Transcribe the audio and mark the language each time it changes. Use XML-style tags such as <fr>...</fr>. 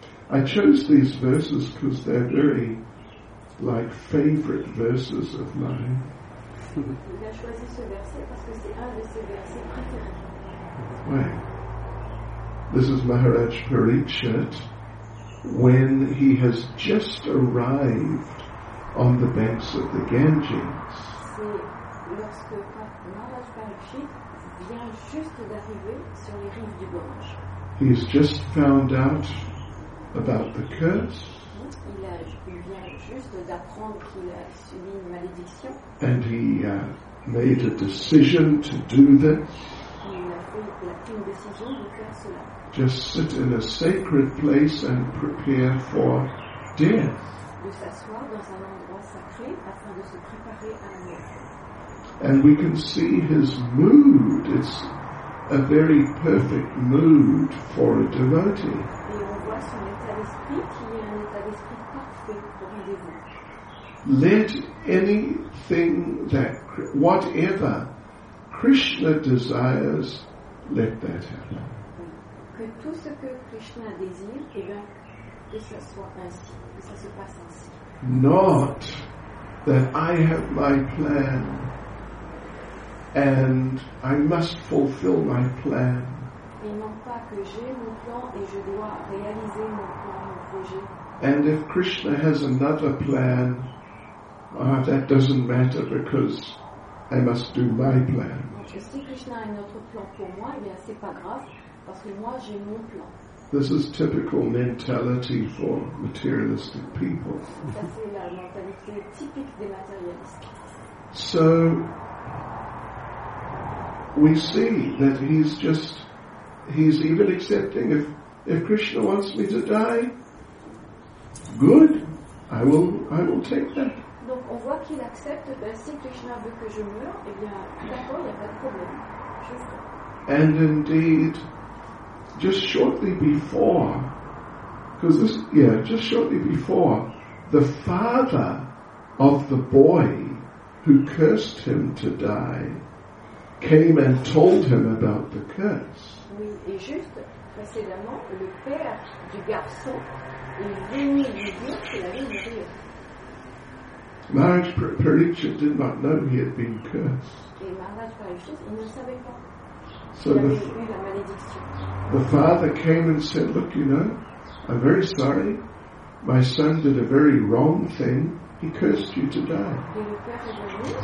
<en>I chose these verses because they're very, like, favorite verses of mine.</en> <fr>Il a choisi ce verset parce que c'est un de ses versets préférés.</fr> <en>Why? This is Maharaj Parikshit when he has just arrived on the banks of the Ganges.</en> <fr>C'est lorsque Maharaj Parikshit vient juste d'arriver sur les rives du Gange.</fr> <en>He's just found out about the curse.</en> <fr>Il vie. Il a, il vient juste d'apprendre qu'il a subi une malédiction.</fr> <en>And he made a decision to do this.</en> <fr>Il a pris une décision de faire cela.</fr> <en>Just sit in a sacred place and prepare for death.</en> <fr>De s'asseoir dans un endroit sacré afin de se préparer à la mort.</fr> <en>And we can see his mood. It's a very perfect mood for a devotee.</en> <fr>Et on voit son état d'esprit qui est un état d'esprit parfait pour un dévot.</fr> <en>Let anything that, whatever Krishna desires, let that happen.</en> <fr>Que tout ce que Krishna désire, eh bien, que ça soit ainsi, que ça se passe ainsi.</fr> <en>Not that I have my plan and I must fulfill my plan.</en> <fr>Et non pas que j'ai mon plan et je dois réaliser mon plan, mon projet.</fr> <en>And if Krishna has another plan, that doesn't matter because I must do my plan.</en> <fr>Donc, si Krishna a un autre plan pour moi, eh bien, c'est pas grave parce que moi j'ai mon plan.</fr> <en>This is typical mentality for materialistic people.</en> <fr>Ça, c'est la mentalité typique des matérialistes.</fr> <en>So we see that he's just, he's even accepting, if Krishna wants me to die, good, I will take that.</en> <fr>Donc on voit qu'il accepte, ben si Krishna veut que je meure, eh bien d'accord, il n'y a pas de problème, je ferai.</fr> <en>And indeed, just shortly before, because this, yeah, just shortly before, the father of the boy who cursed him to die came and told him about the curse.</en> <fr>Oui, et juste précédemment, le père du garçon est venu lui dire qu'il avait une vie.</fr> <en>Maharaj Parikshit did not know he had been cursed.</en> <fr>Et Maharaj Parikshit, il ne savait pas.</fr> <en>So the father came and said, look, you know, I'm very sorry. My son did a very wrong thing. He cursed you to die.</en>